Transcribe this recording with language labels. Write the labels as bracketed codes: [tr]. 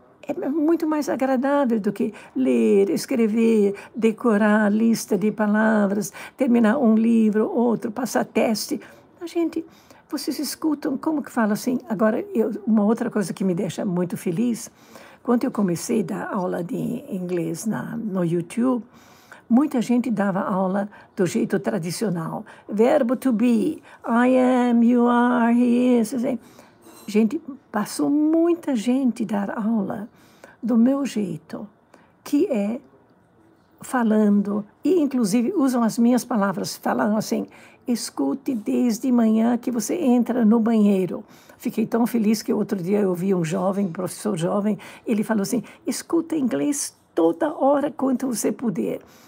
[pt] É muito mais agradável do que ler, escrever, decorar a lista de palavras, terminar um livro, outro, passar teste. A gente, vocês escutam como que fala assim? Agora, uma outra coisa que me deixa muito feliz... Quando eu comecei a dar aula de inglês no YouTube, muita gente dava aula do jeito tradicional. [en] Verbo to be, I am, you are, he is. [pt] Assim. Gente, passou muita gente a dar aula do meu jeito, que é falando, e inclusive usam as minhas palavras, falam assim, escute desde manhã que você entra no banheiro. Fiquei tão feliz que outro dia eu vi um jovem, professor jovem, ele falou assim, escuta inglês toda hora quanto você puder.